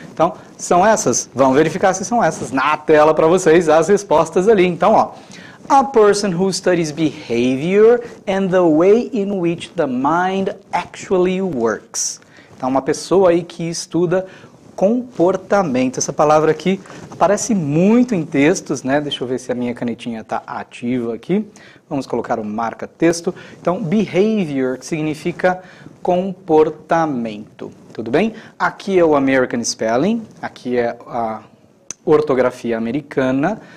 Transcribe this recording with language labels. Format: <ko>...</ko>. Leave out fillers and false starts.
<pt>Então, são essas, vamos verificar se são essas na tela para vocês as respostas ali. Então, ó.</pt> <en>A person who studies behavior and the way in which the mind actually works.</en> <pt>Então, uma pessoa aí que estuda comportamento. Essa palavra aqui aparece muito em textos, né? Deixa eu ver se a minha canetinha está ativa aqui. Vamos colocar o marca-texto. Então, behavior significa comportamento, tudo bem? Aqui é o American Spelling, aqui é a ortografia americana.</pt>